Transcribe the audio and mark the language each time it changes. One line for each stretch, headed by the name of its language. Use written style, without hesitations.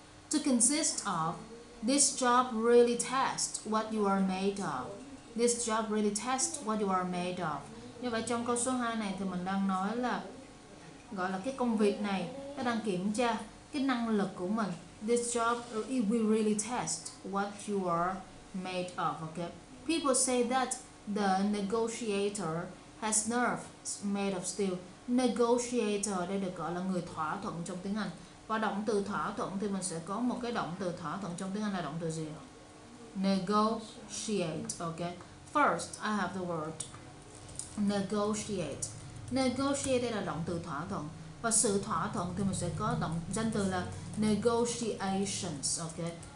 English: To consist of, this job really tests what you are made of. This job really tests what you are made of.
Vietnamese: Như vậy trong câu số 2 này thì mình đang nói là, gọi là cái công việc này, nó đang kiểm tra cái năng lực của mình.
English: This job, it will really test what you are made of, okay. People say that the negotiator has nerves made of steel.
Vietnamese: Negotiator đây được gọi là người thỏa thuận trong tiếng Anh. Và động từ thỏa thuận thì mình sẽ có một cái động từ thỏa thuận trong tiếng Anh là động từ gì?
English: Negotiate, okay. First, I have the word negotiate.
Vietnamese: Negotiate là động từ thỏa thuận. Và sự thỏa thuận thì mình sẽ có động danh từ là negotiations, okay.